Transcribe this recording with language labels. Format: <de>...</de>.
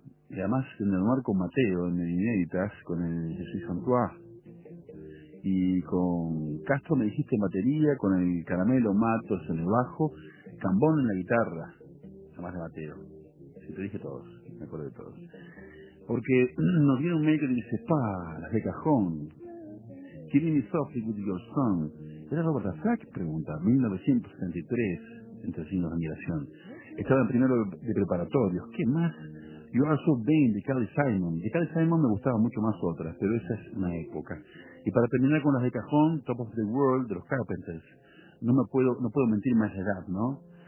<es>Y además de Noir con Mateo en el Inéditas, con el Jesús Santois. Y con Castro me dijiste en batería, con el Caramelo Matos en el bajo, Cambón en la guitarra, además de Mateo. Si te dije todos, me acuerdo de todos. Porque nos viene un mail que dice, pa, las de cajón.</es> <en>Killing me softly with your song.</en> <es>Era Robert Azak, pregunta, 1973, entre signos de admiración. Estaba en primero de preparatorios. ¿Qué más? You Are So Vain de Carly Simon. De Carly Simon me gustaba mucho más otras, pero esa es una época. Y para terminar con las de cajón, Top of the World de los Carpenters. No puedo mentir más edad, ¿no?</es>